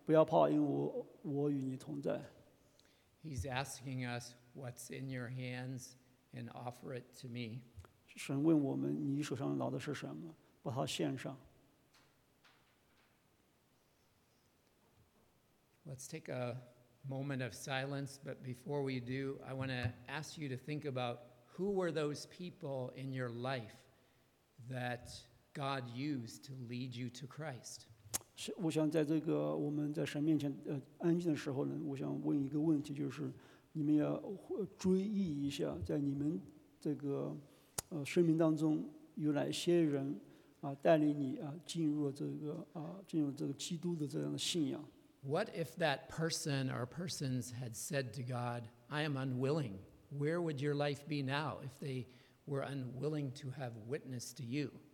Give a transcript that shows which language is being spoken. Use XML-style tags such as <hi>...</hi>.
<zh>从这相片里，我们看见就是神通过这个一个神迹，也就是这个燃烧荆棘，得着了这个摩西的注意力。然后摩西呢就走近，这时神呢就和摩西呢有些对话，神要摩西做，摩西找借口，但是神讲不要怕，因为我与你同在。</zh> <en>He's asking us, what's in your hands, and offer it to me.</en> <zh>神问我们，你手上拿的是什么？把它献上。</zh> <en>Let's take a moment of silence, but before we do, I want to ask you to think about who were those people in your life that God used to lead you to Christ.</en> <zh>我想在这个我们在神面前安静的时候呢，我想问一个问题，就是你们要追忆一下，在你们这个。生命当中有哪些人带领你进入这个基督的这样的信仰？</zh> <en>What if that person or persons had said to God, I am unwilling? Where would your life be now if they were unwilling to have witness to you?</en>